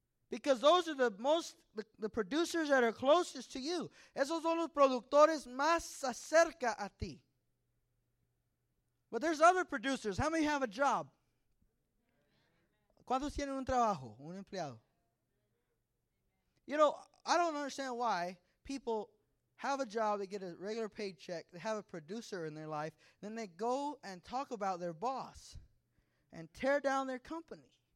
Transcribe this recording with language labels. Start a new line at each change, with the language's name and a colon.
English: Because those are the producers that are closest to you.
Spanish: Esos son los productores más cerca a ti.
English: But there's other producers. How many have a job?
Spanish: ¿Cuántos tienen un trabajo, un empleado?
English: You know, I don't understand why people have a job, they get a regular paycheck, they have a producer in their life, then they go and talk about their boss and tear down their company.